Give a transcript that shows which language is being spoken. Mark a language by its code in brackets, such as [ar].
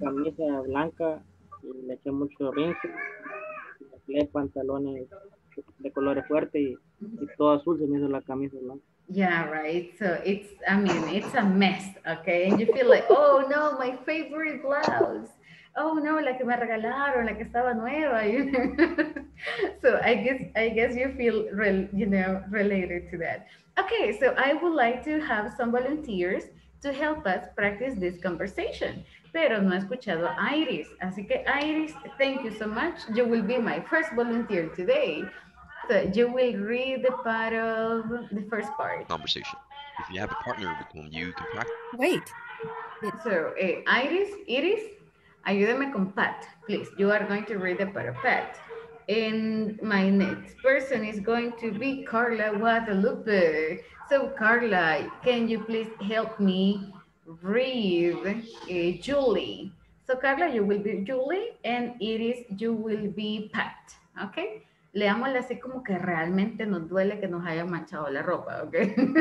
[es] Camisa blanca, y le eché mucho rinse, y le eché pantalones de colores fuertes, y todo azul se me hizo la camisa blanca. [en] Yeah, right. So it's a mess, okay? And you feel like, oh no, my favorite blouse. [es] Oh no, la que me regalaron, la que estaba nueva. [en] You know? So I guess you feel related to that. Okay, so I would like to have some volunteers to help us practice this conversation. [es] Pero no he escuchado a Iris. Así que Iris, [en] thank you so much. You will be my first volunteer today. So you will read the part of the first part. Conversation. If you have a partner with whom you can practice. Wait. [es] So, Iris, ayúdame con Pat, please. [en] You are going to read the part of Pat. And my next person is going to be Carla Guadalupe. So, Carla, can you please help me read Julie? So, Carla, you will be Julie, and Iris, you will be Pat, okay? [es] Leámosle así como que realmente nos duele que nos haya manchado la ropa, okay?